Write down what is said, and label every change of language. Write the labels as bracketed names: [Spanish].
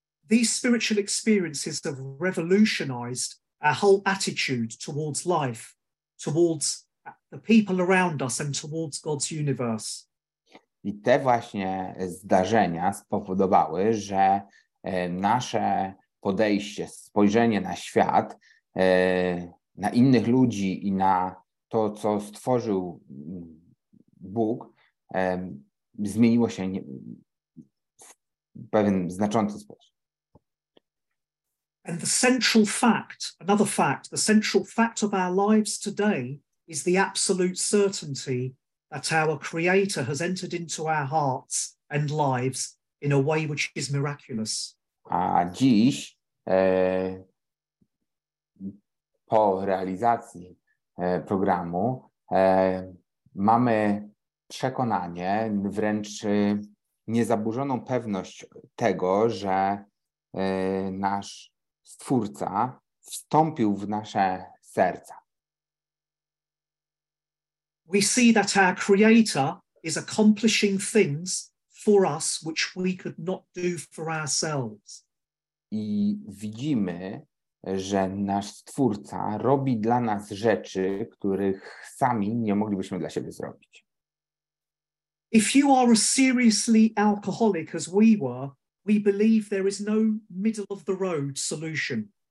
[English] These spiritual experiences have revolutionized our whole attitude towards life, towards the people around us and towards God's universe. [Polish] I te właśnie zdarzenia spowodowały, że nasze podejście, spojrzenie na świat, na innych ludzi i na to, co stworzył Bóg, zmieniło się w pewien znaczący sposób. [English] And the central fact, another fact, the central fact of our lives today is the absolute certainty that our Creator has entered into our hearts and lives in a way which is miraculous. [Polish] A dziś po realizacji programu mamy przekonanie, wręcz niezaburzoną pewność tego, że nasz Stwórca wstąpił w nasze serca. [English] We see that our Creator is accomplishing things for us which we could not do for ourselves. [Polish] I widzimy, że nasz Stwórca robi dla nas rzeczy, których sami nie moglibyśmy dla siebie zrobić. [English] If you are a seriously alcoholic, as we were, we believe there is no middle of the road solution.